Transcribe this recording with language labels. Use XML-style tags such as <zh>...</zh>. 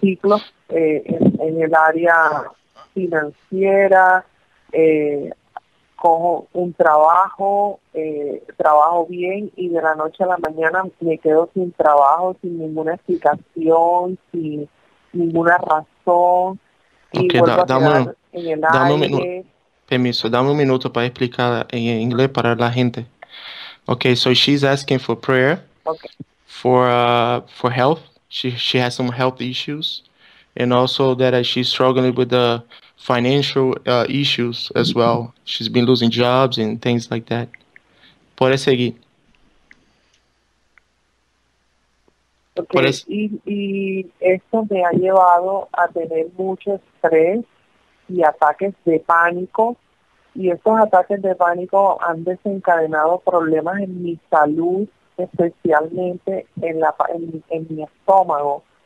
<es>Ciclos en el área financiera, cojo un trabajo, trabajo bien y de la noche a la mañana me quedo sin trabajo, sin ninguna explicación, sin ninguna razón. Okay, dame un minuto. Permiso, dame un minuto para explicar en inglés para la gente.</es> <en>Okay, so she's asking for prayer. Okay. For health. She has some health issues, and also that she's struggling with the financial issues as well. She's been losing jobs and things like that.</en> <es>Puede seguir. Okay, y esto me ha llevado a tener mucho estrés y ataques de pánico, y estos ataques de pánico han desencadenado problemas en mi salud, especialmente en mi estómago.</es>